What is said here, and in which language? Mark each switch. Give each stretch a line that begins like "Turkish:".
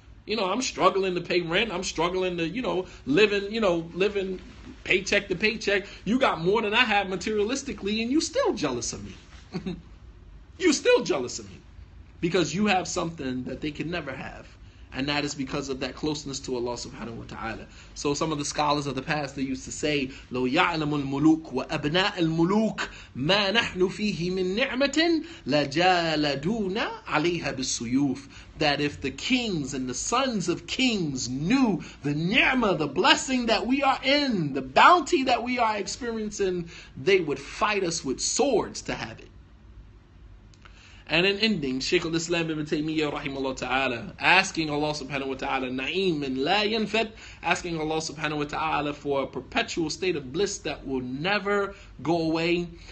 English: You know, I'm struggling to pay rent, I'm struggling to, living paycheck to paycheck, you got more than I have materialistically, and you still jealous of me. You still jealous of me. Because you have something that they can never have. And that is because of that closeness to Allah subhanahu wa ta'ala. So some of the scholars of the past, they used to say,
Arabic: لَوْ يَعْلَمُ الْمُلُوكُ وَأَبْنَاءَ الْمُلُوكُ مَا نَحْنُ فِيهِ مِنْ نِعْمَةٍ لَجَالَدُونَ عَلَيْهَا بِالسُّيُوفِ.
English: That if the kings and the sons of kings knew the ni'mah, the blessing that we are in, the bounty that we are experiencing, they would fight us with swords to have it. And in ending, Shaykh al-Islam ibn Taymiyyah rahimahullah ta'ala, asking Allah subhanahu wa ta'ala, na'im and la yanfat, asking Allah subhanahu wa ta'ala for a perpetual state of bliss that will never go away.